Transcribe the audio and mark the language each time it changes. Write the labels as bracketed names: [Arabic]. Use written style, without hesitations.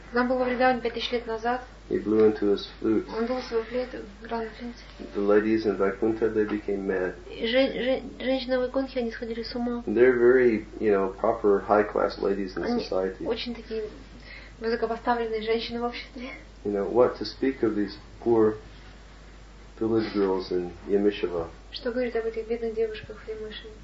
[Russian] Он был во Вриндаване 5000 лет назад. [English] He blew into his flute. [Russian] Он дул свою флейту, играл на флейте. [English] The ladies in Vaikuntha, they became mad. [Russian] Женщины в Вайкунтхе, они сходили с ума. [English] They're very, you know, proper high class ladies in society. [Russian] Очень такие высокопоставленные женщины в обществе. [English] You know what to speak of these poor village girls in Yamishava. [Russian] Что говорить об этих бедных девушках в Ямышеве?